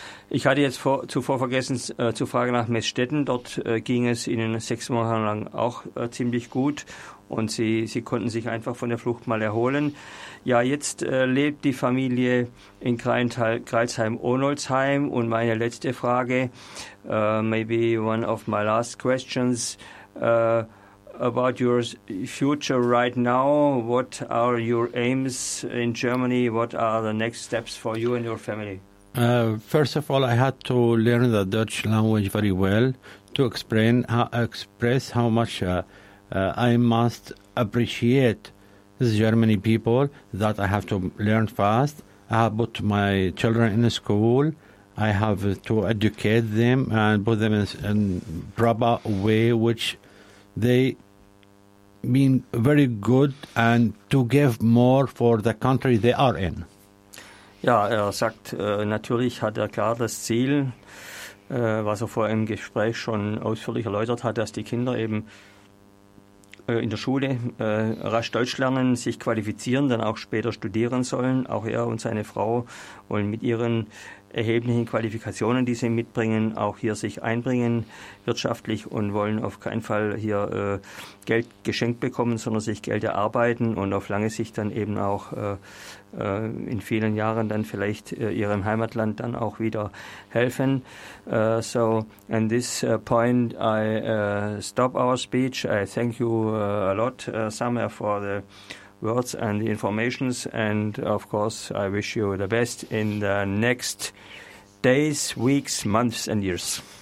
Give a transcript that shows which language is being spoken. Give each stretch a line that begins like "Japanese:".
German: Ich hatte jetzt zuvor vergessen zu fragen nach Meßstetten. Dort ging es ihnen 6 Wochen lang auch ziemlich gut und sie konnten sich einfach von der Flucht mal erholen. Ja, jetzt lebt die Familie in Greilsheim-Onoldsheim. Und meine letzte Frage,
English: maybe one of my last questions, about your future right now. What are your aims in Germany? What are the next steps for you and your family? First of all, I had to learn the Dutch language very well to express how much I must appreciate this Germany people that I have to learn fast. I have put my children in school. I have to educate them and put them in proper way, which they mean very good, and to give more for the country they are in.
German: Ja, er sagt, natürlich hat er klar das Ziel, was er vorher im Gespräch schon ausführlich erläutert hat, dass die Kinder eben in der Schule rasch Deutsch lernen, sich qualifizieren, dann auch später studieren sollen. Auch er und seine Frau wollen mit ihren erheblichen Qualifikationen, die sie mitbringen, auch hier sich einbringen wirtschaftlich und wollen auf keinen Fall hier Geld geschenkt bekommen, sondern sich Geld erarbeiten und auf lange Sicht dann eben auch in vielen Jahren dann vielleicht ihrem Heimatland dann auch wieder helfen.
English: So, at this point, I stop our speech. I thank you a lot, Samer, for the words and the informations, and of course I wish you the best in the next days, weeks, months and years.